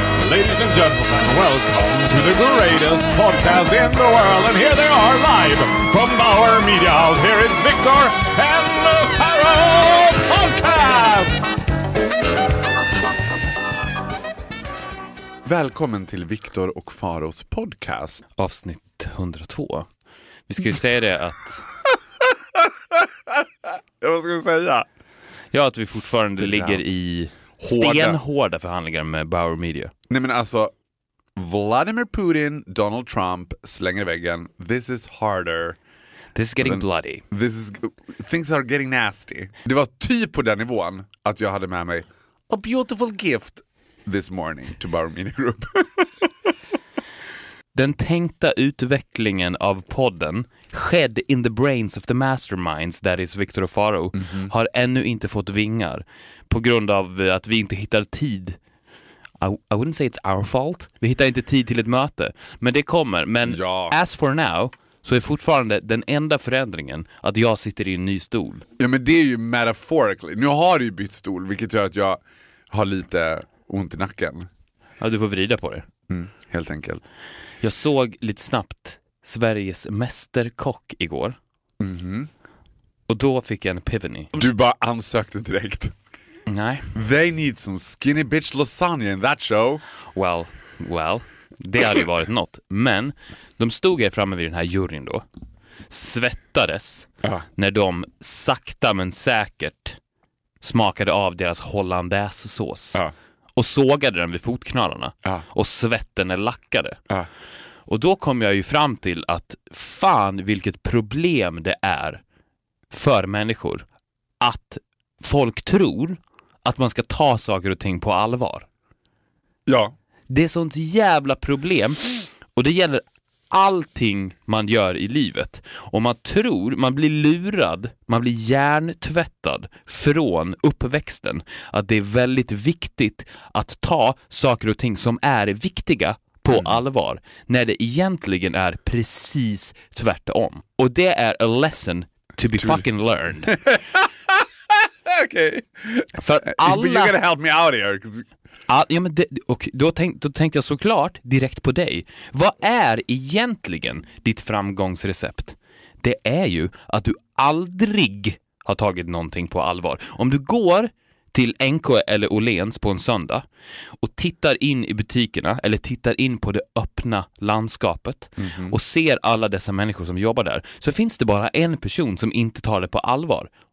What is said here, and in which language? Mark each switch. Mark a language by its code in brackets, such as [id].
[en] Ladies and gentlemen, welcome to the greatest podcast in the world. And here they are, live from Bauer Media House. Here is Victor and the Pharaoh Podcast! [sv] Välkommen till Victor och Pharaohs Podcast. Avsnitt 102. Vi ska ju säga det att... Ja, vad ska vi säga? Ja, att vi fortfarande ligger i... Stenhårda förhandlingar med Bauer Media. Nej, men alltså, Vladimir Putin, Donald Trump slänger väggen. [en] This is harder. This is getting bloody. This is, things are getting nasty. [sv] Det var typ på den nivån att jag hade med mig a beautiful gift this morning to Bauer Media Group. Den tänkta utvecklingen av podden [en] shed in the brains of the masterminds that is [sv] Victor och Faro har ännu inte fått vingar på grund av att vi inte hittar tid. [en] I wouldn't say it's our fault. [sv] Vi hittar inte tid till ett möte. Men det kommer. Men ja, [en] as for now [sv] så är fortfarande den enda förändringen att jag sitter i en ny stol. Ja, men det är ju metaphorically. Nu har du ju bytt stol, vilket gör att jag har lite ont i nacken. Ja, du får vrida på det. Mm, helt enkelt. Jag såg lite snabbt Sveriges mästerkock igår. Mm-hmm. Och då fick jag en epiphany. Du bara ansökte direkt. Nej. [en] They need some skinny bitch lasagna in that show. Well, well, [sv] det hade ju varit något. Men de stod här framme vid den här juryn då. Svettades när de sakta men säkert smakade av deras hollandaisesås. Ja. Och sågade den vid fotknallarna. Ja. Och svetten är lackade. Ja. Och då kom jag ju fram till att fan vilket problem det är för människor att folk tror att man ska ta saker och ting på allvar. Ja. Det är sånt jävla problem. Och det gäller allting man gör i livet. Och man tror, man blir lurad, man blir hjärntvättad från uppväxten att det är väldigt viktigt att ta saker och ting som är viktiga på allvar när det egentligen är precis tvärtom. Och det är [en] a lesson to be fucking learned. [sv] Okej. [en] Okay. But you're gonna help me out here. Cause... [sv] Ja, men det, och då tänkte jag såklart direkt på dig. Vad är egentligen ditt framgångsrecept? Det är ju att du aldrig har tagit någonting på allvar. Om du går till NK eller Olens på en söndag och tittar in i butikerna eller tittar in på det öppna landskapet och ser alla dessa människor som jobbar där, så finns det bara en person som inte tar det på allvar.